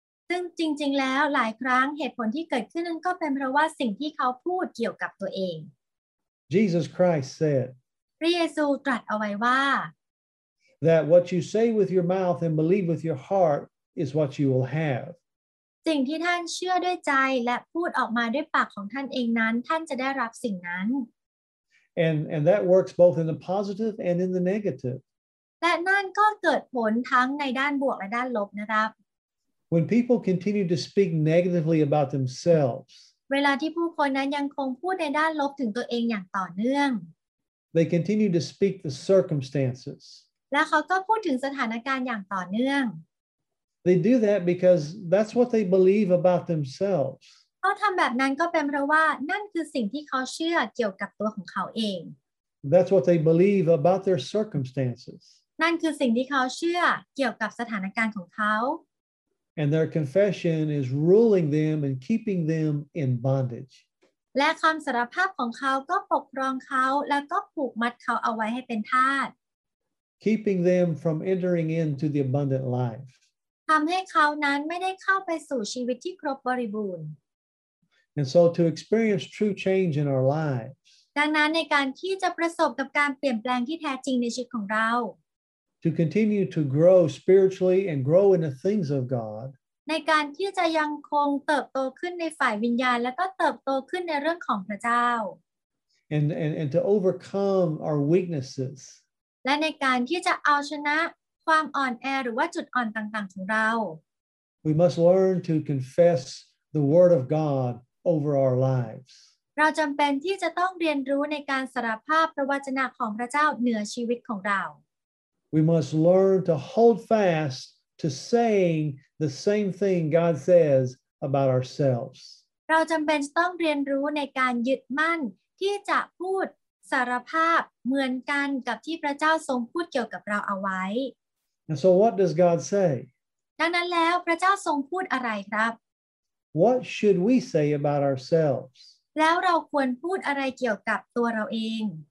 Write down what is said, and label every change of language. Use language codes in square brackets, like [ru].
[th] ซึ่งจริงๆแล้วหลายครั้งเหตุผลที่เกิดขึ้นนั้นก็เป็นเพราะว่าสิ่งที่เขาพูดเกี่ยวกับตัวเอง [en] Jesus Christ said. [th] พระเยซูตรัสเอาไว้ว่า [en] That what you say with your mouth and believe with your heart is what you will have. [th] สิ่งที่ท่านเชื่อด้วยใจและพูดออกมาด้วยปากของท่านเองนั้นท่านจะได้รับสิ่งนั้น [en] And that works both in the positive and in the negative. [th] และนั่นก็เกิดผลทั้งในด้านบวกและด้านลบนะครับ [en] When people continue to speak negatively about themselves, [th] เวลาที่ผู้คนนั้นยังคงพูดในด้านลบถึงตัวเองอย่างต่อเนื่อง [en] They continue to speak the circumstances. [th] แล้วเขาก็พูดถึงสถานการณ์อย่างต่อเนื่อง [en] They do that because that's what they believe about themselves. [th] เขาทำแบบนั้นก็เป็นเพราะว่านั่นคือสิ่งที่เขาเชื่อเกี่ยวกับตัวของเขาเอง [en] That's what they believe about their circumstances. [th] นั่นคือสิ่งที่เขาเชื่อเกี่ยวกับสถานการณ์ของเขา [en] And their confession is ruling them and keeping them in bondage. [th] และคำสารภาพของเขาก็ปกครองเขาแล้วก็ผูกมัดเขาเอาไว้ให้เป็นทาส [en] Keeping them from entering into the abundant life. [th] ทำให้เขานั้นไม่ได้เข้าไปสู่ชีวิตที่ครบบริบูรณ์ [en] And so to experience true change in our lives. [th] ดังนั้นในการที่จะประสบกับการเปลี่ยนแปลงที่แท้จริงในชีวิตของเรา [en] To continue to grow spiritually and grow in the things of God. [th] ในการที่จะยังคงเติบโตขึ้นในฝ่ายวิญญาณแล้วก็เติบโตขึ้นในเรื่องของพระเจ้า [en] And to overcome our weaknesses. [th] และในการที่จะเอาชนะความอ่อนแอหรือว่าจุดอ่อนต่างๆของเรา [en] We must learn to confess the word of God over our lives. [th] เราจำเป็นที่จะต้องเรียนรู้ในการสารภาพพระวจนะของพระเจ้าเหนือชีวิตของเรา [en] We must learn to hold fast to saying the same thing God says about ourselves. [th] เราจำเป็นต้องเรียนรู้ในการยึดมั่นที่จะพูดสารภาพเหมือนกันกับที่พระเจ้าทรงพูดเกี่ยวกับเราเอาไว้ [en] And so what does God say? [th] ดังนั้นแล้วพระเจ้าทรงพูดอะไรครับ [en] What should we say about ourselves? [th] แล้วเราควรพูดอะไรเกี่ยวกับตัวเราเอง